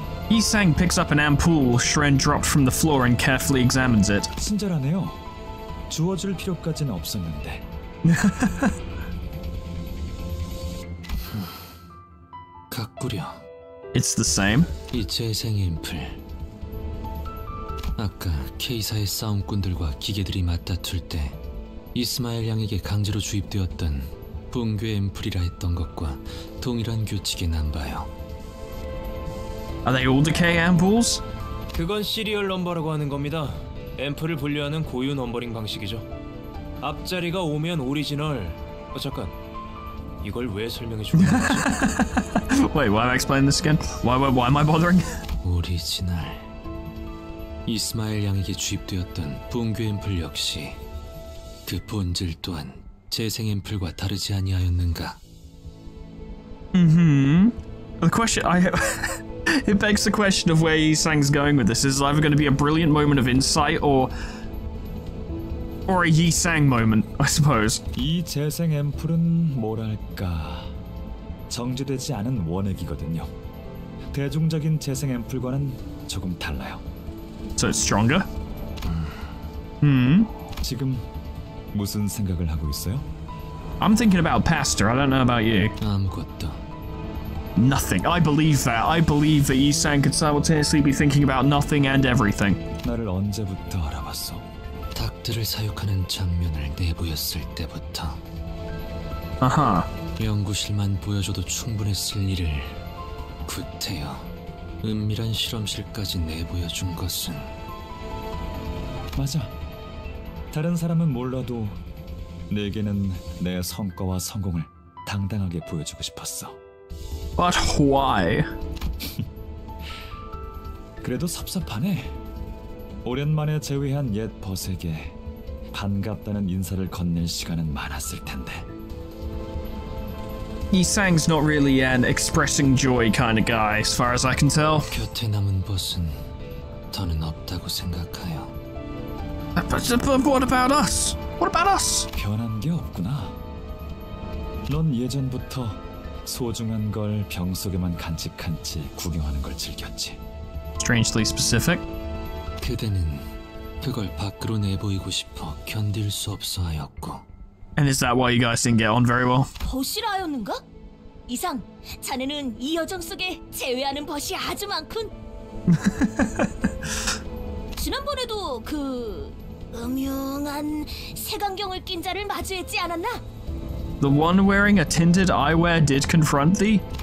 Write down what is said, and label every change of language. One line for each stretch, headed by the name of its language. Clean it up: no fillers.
English: Yisang picks up an ampoule Shren dropped from the floor and carefully examines it.
Korean: 친절하네요. 주워줄 필요까지는 없었는데.
English: It's the same.
Korean: 이 재생 앰플. 아까 K사의 싸움꾼들과 기계들이 맞다툴 때 이스마엘 양에게 강제로 주입되었던 붕괴 앰플이라 했던 것과 동일한 규칙에 남봐요.
English: Are they all the K ampoules?
Korean: 그건 시리얼 넘버라고 하는 겁니다. 앰플을 분류하는 고유 넘버링 방식이죠. 앞자리가 오면 오리지널. 어, 잠깐. 이걸 왜 설명해 주는 거지?
English: Wait, why am I explaining this again? Why am I bothering?
Korean: 오리지널. 이스마엘 양에게 주입되었던 분규 앰플 역시 그 본질 또한 재생 앰플과 다르지 아니하였는가?
English: Mm-hmm. The question I have. It begs the question of where Yisang's going with this. This is either going to be a brilliant moment of insight or a Yisang moment, I suppose.
Korean: 이 재생 앰플은 뭐랄까 정제되지 않은 원액이거든요. 대중적인 재생 앰플과는 조금 달라요.
English: So it's stronger? Hmm.
Korean: 지금 무슨 생각을 하고 있어요?
English: I'm thinking about Pastor. I don't know about you.
Korean: 아무것도.
English: Nothing. I believe that. I believe that Yisang could simultaneously be thinking about nothing and everything.
Korean: 나를 언제부터 알아봤어? 닭들을 사육하는 장면을 내보였을 때부터. 아하. 연구실만 보여줘도 충분했을 일을 구태여 은밀한 실험실까지 내보여준 것은. 맞아. 다른 사람은 몰라도 내게는 내 성과와 성공을 당당하게 보여주고 싶었어.
English: But why?
Korean: 그래도 섭섭하네. 오랜만에 재회한 옛 벗에게 반갑다는 인사를 건넬 시간은 많았을 텐데.
English: Yisang's not really an expressing joy kind of guy, as far as I can tell.
Korean: 곁에 남은 벗은 더는 없다고 생각하여.
English: But what about us? What about us?
Korean: 변한 게 없구나. 넌 예전부터 소중한 걸 병 속에만 간직한 채 구경하는 걸 즐겼지.
English: Strangely specific.
Korean: 그대는 그걸 밖으로 내보이고 싶어 견딜 수 없어 하였고.
English: And is that why you guys didn't get on very well?
Korean: 벗이라 하였는가? 이상, 자네는 이 여정 속에 제외하는 벗이 아주 많군. 지난번에도 그 음흉한 색안경을 낀 자를 마주했지 않았나?
English: The one wearing a tinted eyewear did confront thee?